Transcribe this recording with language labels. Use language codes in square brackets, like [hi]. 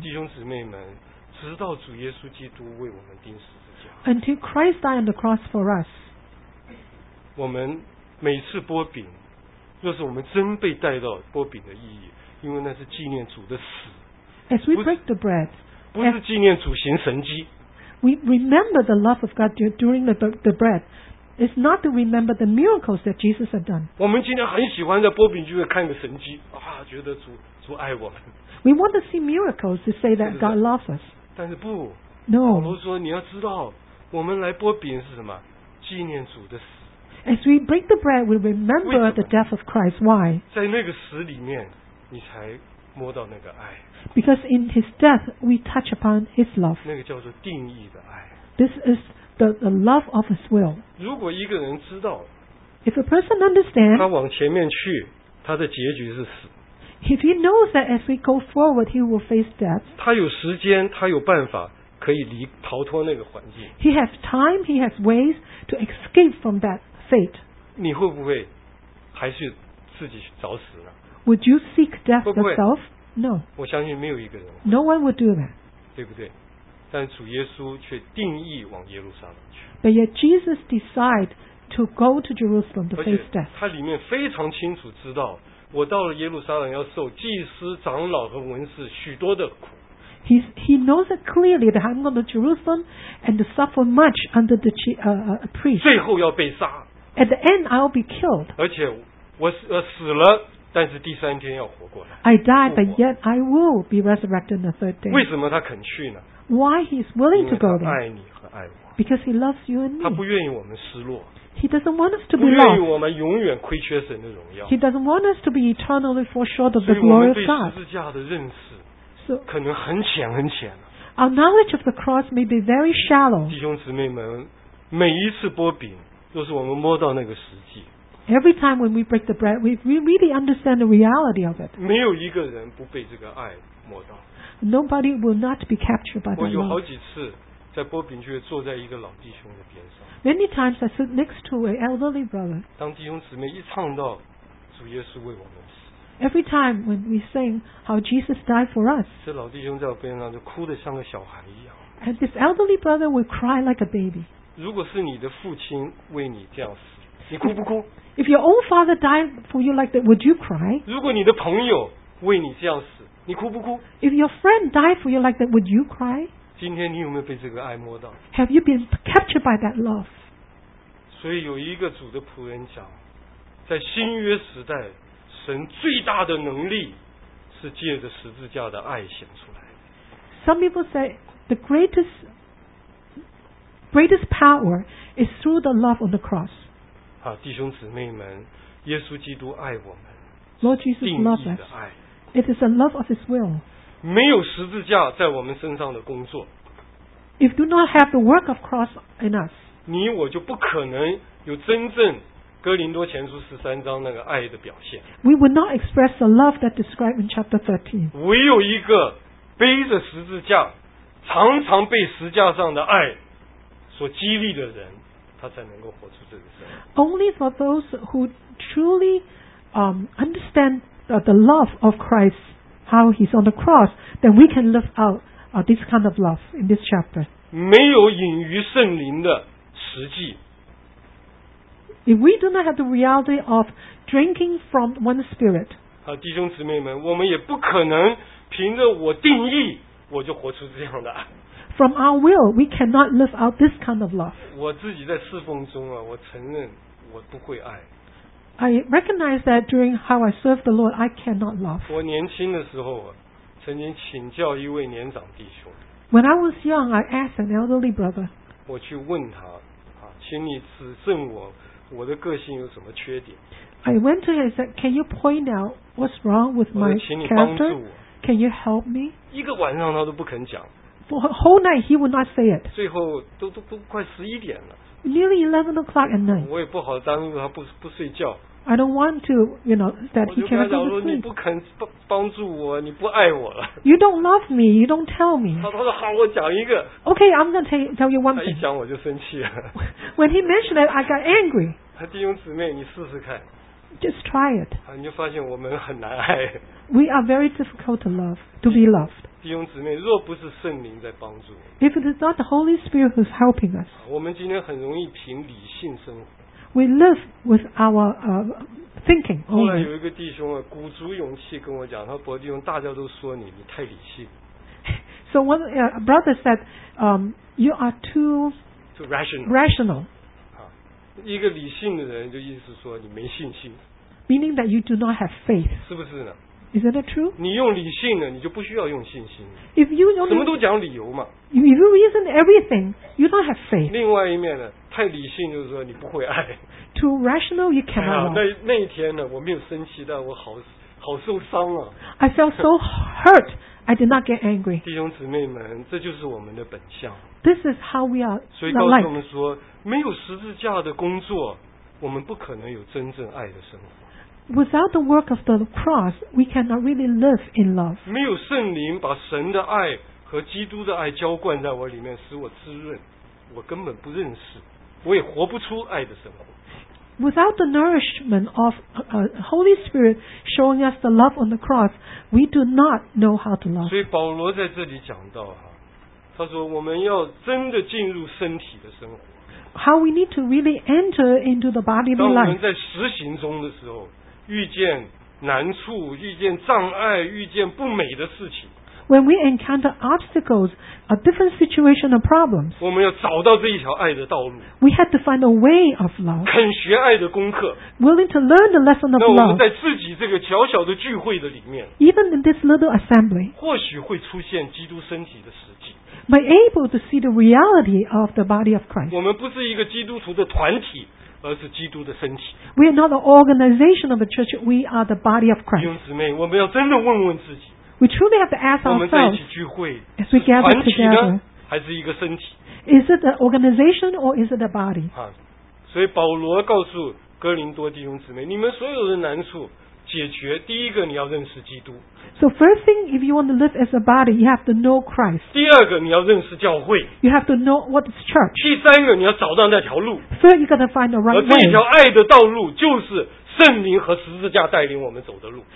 [zh] 弟兄姊妹们。直到主耶稣基督为我们钉十字架。 [en] Until Christ died on the cross for us. [zh] 我们每次擘饼，若是我们真被带到擘饼的意义，因为那是纪念主的死。 [en] As we break the bread, [zh] 不是纪念主行神迹。 [en] We remember the love of God during the bread. It's not to remember the miracles that Jesus had done. [zh] 我们今天很喜欢在擘饼聚会看个神迹啊，觉得主爱我们。 [en] We want to see miracles to say that God loves us. [zh] 但是不 [en] ，No。 [zh] 保罗说：“你要知道，我们来擘饼是什么？纪念主的死。 [en] ”As we break the bread, we remember the death of Christ. Why? [zh] 在那个死里面，你才摸到那个爱。 [en] Because in His death, we touch upon His love. [zh] 那个叫做定义的爱。 [en] This is the love of His will. [zh] 如果一个人知道 [en] ，If a person understands, [zh] 他往前面去，他的结局是死。 [en] If he knows that as we go forward, he will face death. [zh] 他有时间，他有办法可以离逃脱那个环境。 [en] He has time, he has ways to escape from that fate. [zh] 你会不会还是自己找死呢？ [en] Would you seek death yourself? No. [zh] 我相信没有一个人。 [en] No one would do that. [zh] 对不对？但主耶稣却定义往耶路撒冷去。 [en] But yet Jesus decided to go to Jerusalem to face death. [zh] 他里面非常清楚知道。我到了耶路撒冷要受祭司长老和文士许多的苦。 [en] He knows it clearly that I'm going to Jerusalem and to suffer much under the priest. [zh] 最后要被杀。 [en] At the end, I'll be killed. [zh] 而且我死了，但是第三天要活过来。 [en] I died, but yet I will be resurrected on the third day. [zh] 为什么他肯去呢？ [en] Why he's willing to go there? [zh] 爱你和爱我。 [en] Because he loves you and me. [zh] 他不愿意我们失落。 [en] He doesn't want us to be lost. [zh] 不愿意我们永远亏缺神的荣耀。 [en] He doesn't want us to be eternally fall short of the glory of God. [zh] 所以我们对十字架的认识，可能很浅很浅。 [en] Our knowledge of the cross may be very shallow. [zh] 弟兄姊妹们，每一次擘饼，都是我们摸到那个实际。 [en] Every time when we break the bread, we really understand the reality of it. [zh] 没有一个人不被这个爱摸到。 [en] Nobody will not be captured by the love. [zh] 我有好几次在波饼区坐在一个老弟兄的边上。 [en] Many times I sit next to an elderly brother. [zh] 当弟兄姊妹一唱到主耶稣为我们死。 [en] Every time when we sing how Jesus died for us. [zh] 这老弟兄在我边上就哭得像个小孩一样。 [en] And this elderly brother will cry like a baby. [zh] 如果是你的父亲为你这样死，你哭不哭？ [en] If your own father died for you like that, would you cry? [zh] 如果你的朋友为你这样死，你哭不哭？ [en] If your friend died for you like that, would you cry? [zh] 今天你有没有被这个爱摸到？ [en] Have you been captured by that love? [zh] 所以有一个主的仆人讲，在新约时代，神最大的能力是借着十字架的爱显出来。 [en] Some people say the greatest power is through the love on the cross. [zh] 好，弟兄姊妹们，耶稣基督爱我们。 [en] Lord Jesus loves us. It is a love of His will. [zh] 没有十字架在我们身上的工作。 [en] If do not have the work of cross in us. [zh] 你我就不可能有真正哥林多前书十三章那个爱的表现。 [en] We would not express the love that described in chapter 13. [zh] 唯有一个背着十字架，常常被十字架上的爱所激励的人，他才能够活出这个生命。 [en] Only for those who truly understand the love of Christ, how He's on the cross, then we can live out this kind of love in this chapter. [zh] 没有隐于圣灵的实际。 [en] If we do not have the reality of drinking from one Spirit, [zh] 好，弟兄姊妹们，我们也不可能凭着我定义我就活出这样的。 [en] From our will, we cannot live out this kind of love. [zh] 我自己在侍奉中啊，我承认我不会爱。 [en] I recognize that during how I serve the Lord, I cannot love. [zh] 我年轻的时候啊，曾经请教一位年长弟兄。 [en] When I was young, I asked an elderly brother. [zh] 我去问他啊，请你指正我的个性有什么缺点。 [en] I went to him and said, "Can you point out what's wrong with my character?" Can you help me? [zh] 一个晚上他都不肯讲。 [en] For a whole night he would not say it. [zh] 最后都快十一点了。 [en] Nearly 11 o'clock at night. [zh] 我也不好耽误他不睡觉。 [en] I don't want to, you know, that he cannot go to sleep. [zh] 你不肯帮助我，你不爱我了。 [en] You don't love me. You don't tell me. [zh] 他说好，我讲一个。 [en] Okay, I'm going to tell you one thing. [zh] 他一讲我就生气了。 [en] When he mentioned it, I got angry. [zh] 弟兄姊妹，你试试看。 [en] Just try it. [zh] 你就发现我们很难爱。 [en] We are very difficult to love, to be loved. [zh] 弟兄姊妹，若不是圣灵在帮助我们， [en] If it is not the Holy Spirit who is helping us, [zh] 我们今天很容易凭理性生活。 [en] We live with our thinking only. [zh] 后来有一个弟兄啊，鼓足勇气跟我讲，他说：“伯弟兄，大家都说你太理性。” [en] So one brother said, "You are too rational." Rational. [zh] 一个理性的人就意思说你没信心。 [en] Meaning that you do not have faith. [zh] 是不是呢？ [en] Isn't that true? [zh] 你用理性呢，你就不需要用信心。 [en] If you only, [zh] 什么都讲理由嘛。 [en] If you reason everything, you don't have faith. [zh] 另外一面呢，太理性就是说你不会爱。 [en] Too rational, you cannot love. [zh] 那一天呢，我没有生气，但我好受伤啊。 [en] I felt so hurt. I did not get angry. [zh] 弟兄姊妹们，这就是我们的本相。 [en] This is how we are. [zh] 所以告诉我们说，没有十字架的工作，我们不可能有真正爱的生活。 [en] Without the work of the cross, we cannot really live in love. [zh] 没有圣灵把神的爱和基督的爱浇灌在我里面，使我滋润，我根本不认识，我也活不出爱的生活。 [en] Without the nourishment of Holy Spirit showing us the love on the cross, we do not know how to love. [zh] 所以保罗在这里讲到啊，他说我们要真的进入身体的生活。 [en] How we need to really enter into the bodily life. [zh] 当我们在实行中的时候，遇见难处，遇见障碍，遇见不美的事情。 [en] When we encounter obstacles, a different situation or problems, [zh] 我们要找到这一条爱的道路。 [en] We had to find a way of love. [zh] 肯学爱的功课。 [en] Willing to learn the lesson of love. [zh] 那我们在自己这个小小的聚会的里面， [en] even in this little assembly, 或许会出现基督身体的实际。 Be able to see the reality of the body of Christ. [zh] 我们不是一个基督徒的团体，而是基督的身体。 [en] We are not an organization of a church. We are the body of Christ. [zh] 弟兄姊妹，我们要真的问问自己。 [en] We truly have to ask ourselves. [zh] 我们在一起聚会， [en] as we gather together, [zh] 还是一个身体？ [en] Is it an organization or is it a body? [zh] 所以保罗告诉哥林多弟兄姊妹，你们所有的难处解决，第一个你要认识基督。 [en] So first thing, if you want to live as a body, you have to know Christ. [zh] 第二个你要认识教会。 [en] You have to know what is church. [zh] 第三个你要找到那条路。 [en] Third, you gotta find the right way. [zh] 而这条爱的道路就是圣灵和十字架带领我们走的路。